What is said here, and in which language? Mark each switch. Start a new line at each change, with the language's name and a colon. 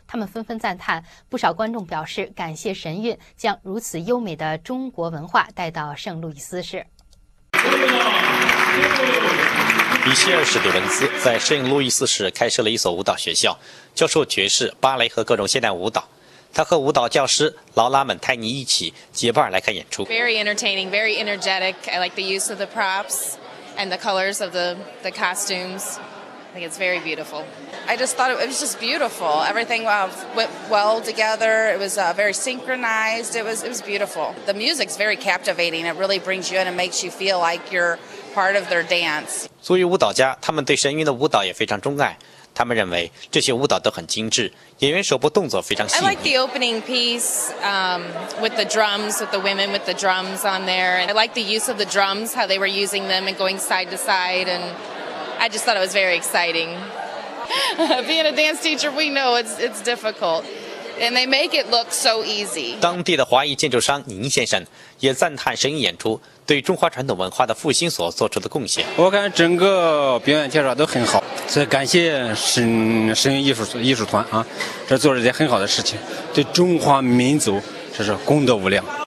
Chinese: 他们纷纷赞叹，不少观众表示感谢神韵将如此优美的中国文化带到圣路易斯市。米歇尔·史蒂文斯在圣路易斯市开设了一所舞蹈学校，教授爵士、芭蕾和各种现代舞蹈。他和舞蹈教师劳拉·蒙泰尼一起结伴来看演出。
English: Very entertaining, very energetic. I like the use of the props and the colors of the costumes. I think it's very beautiful. I just thought it was just beautiful. Everything went well together. It was very synchronized. It was beautiful. The music's very captivating. It really brings you in and makes you feel like you're. Part of their dance.
Chinese: 作为舞蹈家，他们对神韵的舞蹈也非常钟爱。他们认为这些舞蹈都很精致，演员手部动作非常细腻。
English: I like the opening piece, with the drums, with the women with the drums on there. And I like the use of the drums, how they were using them and going side to side. And I just thought it was very exciting. Being a dance teacher, we know it's difficult. And they make it look so easy.
Chinese: 当地的华裔建筑商宁先生也赞叹神韵演出对中华传统文化的复兴所做出的贡献。我看整个表演介绍都很好，所以感谢神韵艺术团啊，这做了一件很好的事情，对中华民族这是功德无量。